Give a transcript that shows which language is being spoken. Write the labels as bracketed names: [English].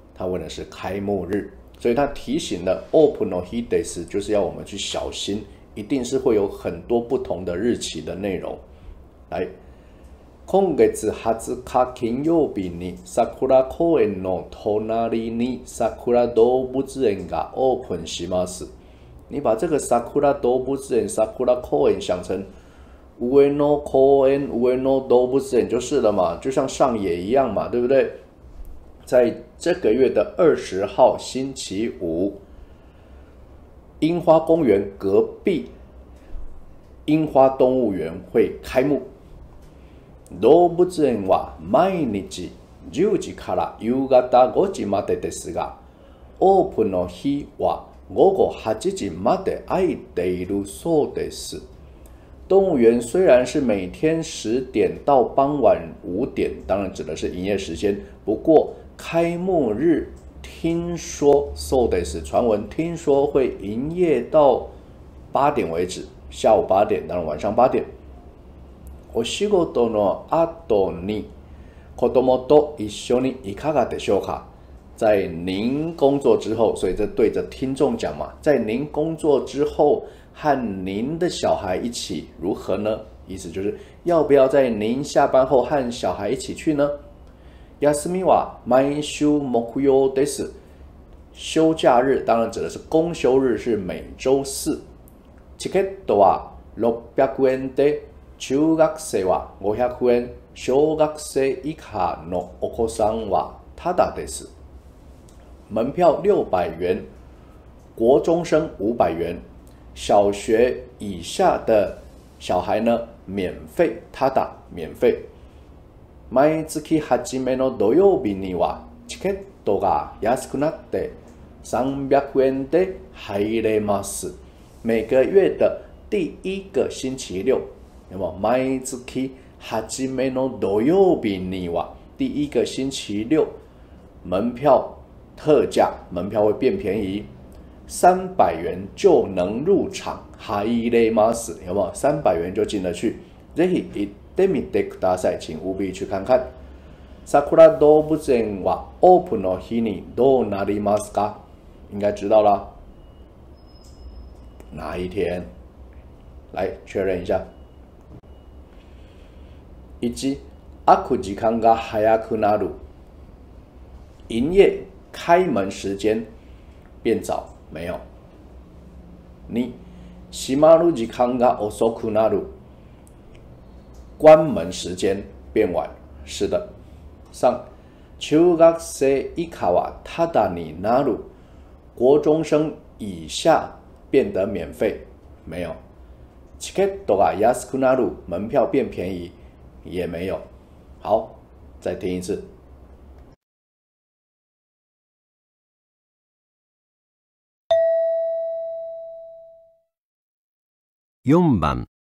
[Chinese] 他问的是开幕日，所以他提醒了 [Japanese] オープンの日です， [Chinese] 就是要我们去小心，一定是会有很多不同的日期的内容。 [Japanese] 来，今月20日金曜日に桜公園の隣に桜動物園がオープンします。 [Chinese] 你把这个桜動物園、桜公園想成上野公園、上野動物園就是了嘛，就像上野一样嘛，对不对？在这个月的20号星期五，樱花公园隔壁樱花动物园会开幕。 [Japanese] 動物園は毎日10時から夕方5時までですが、オープンの日は午後8時まで開いているそうです。 [Chinese] 動物園虽然是每天10点到傍晚5点，当然指的是营业时间，不过开幕日听说 [Japanese] そうです， [Chinese] 传闻听说会营业到8点为止，下午8点，当然晚上8点。 [Japanese] お仕事の後に子供と一緒にいかがでしょうか？ [Chinese] 在您工作之后，所以这对着听众讲嘛，在您工作之后和您的小孩一起如何呢？意思就是要不要在您下班后和小孩一起去呢？ [Japanese] 休みは毎週木曜です。 [Chinese] 休假日当然指的是公休日，是每周四。 [Japanese] チケットは600円で、中学生は500円、小学生以下のお子さんはただです。 [Chinese] 门票600元，国中生500元，小学以下的小孩呢，免费， [Japanese] ただ [Chinese] 免费。 [Japanese] 毎月初めの土曜日にはチケットが安くなって300円で入れます。 [Chinese] 每个月的第一个星期六。那么 [Japanese] 毎月初めの土曜日には， [Chinese] 第一个星期六，门票特价，门票会变便宜，300元就能入场。 [Japanese] 入れます， [Chinese] 有没有？300元就进得去。 [Japanese] ぜひ行っってみてください。 [Chinese] 请务必去看看。 [Japanese] 桜動物園はオープンの日にどうなりますか？ [Chinese] 应该知道了。哪一天？来确认一下。 [Japanese] 一、開く時間が早くなる。 [Chinese] 营业开门时间变早，没有。 [Japanese] 二、閉まる時間が遅くなる。 [Chinese] 关门时间变晚，是的。 [Japanese] 三、中学生以下はタダになる。 [Chinese] 国中生以下变得免费，没有。 [Japanese] チケットが安くなる， [Chinese] 门票变便宜，也没有。好，再听一次。 [Japanese] 4番